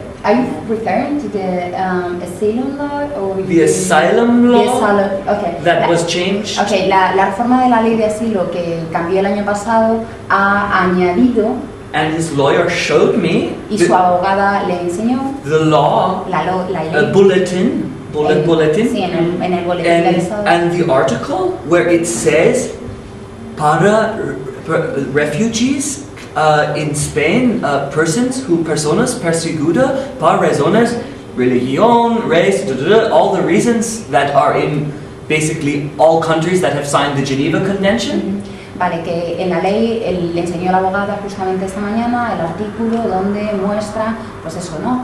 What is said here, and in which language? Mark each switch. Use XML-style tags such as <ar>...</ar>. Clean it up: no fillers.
<en>Are you referring to the asylum law or the asylum law that was changed?</en> <es>Okay, la reforma de la ley de asilo que cambió el año pasado ha añadido.</es> <en>And his lawyer showed me.</en> <es>Y su abogada le enseñó.</es> <en>The law.</en> <es>La ley.</es> <en>A bulletin.</en> <es>Sí, en el boletín.</es> <en>And the article where it says para refugees. In Spain,</en> <es>personas perseguidas por razones, religión,</es> <en>race, all the reasons that are in basically all countries that have signed the Geneva Convention. Mm-hmm.</en> <es>Vale, que en la ley le enseñó la abogada justamente esta mañana el artículo donde muestra, pues eso, ¿no?</es>